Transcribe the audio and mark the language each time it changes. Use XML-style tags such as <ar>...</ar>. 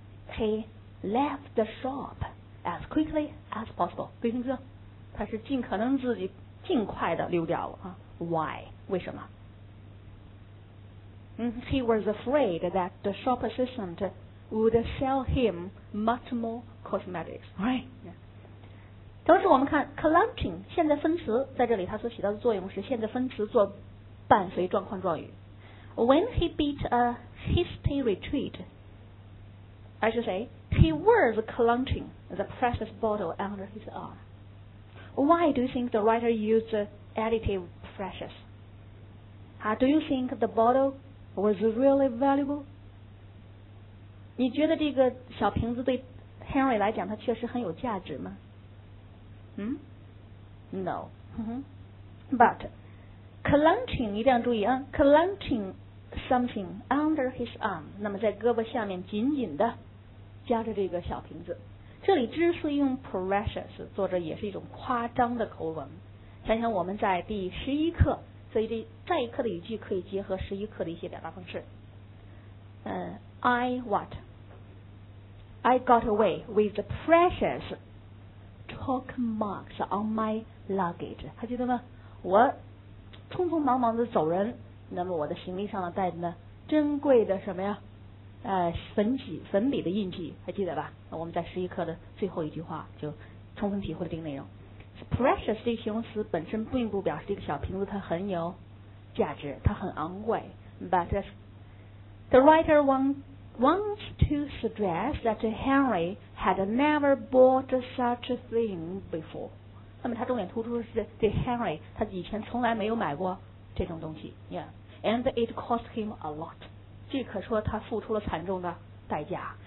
<en>He left the shop as quickly as possible。</en> <zh>对，听清，他是尽可能自己尽快的溜掉了啊。</zh> <en>Why？</en> <zh>为什么？</zh> <en>He was afraid that the shop assistant would sell him much more cosmetics. Right.</en> <zh>同时我们看 clutching 现在分词在这里它所起到的作用是现在分词做伴随状况状语。</zh> <en>When he beat a hasty retreat, I should say, he was clutching the precious bottle under his arm. Why do you think the writer used the adjective precious? Do you think the bottle... Was really valuable.</en> <zh>你觉得这个小瓶子对 Henry 来讲，它确实很有价值吗？</zh> <en>No. But clutching</en> <zh>一定要注意啊</zh> <en>，clutching something under his arm.</en> <zh>那么在胳膊下面紧紧的夹着这个小瓶子。这里之所以用 precious， 作者也是一种夸张的口吻。想想我们在第十一课。所以这再一课的语句可以结合十一课的一些表达方式。</zh> <en>I what? I got away with the precious chalk marks on my luggage.</en> <zh>还记得吗？我匆匆忙忙的走人，那么我的行李上带着呢珍贵的什么呀？粉笔的印记，还记得吧？我们在十一课的最后一句话就充分体会了这个内容。 precious 这个形容词本身并不表示这个小瓶子它很有价值，它很昂贵。</zh> <en>But the writer wants to suggest that Henry had never bought such a thing before.</en> <zh>那么他重点突出的是这 Henry 他以前从来没有买过这种东西。</zh> <en>Yeah. And it cost him a lot.</en> <zh>这可说他付出了惨重的代价。</zh>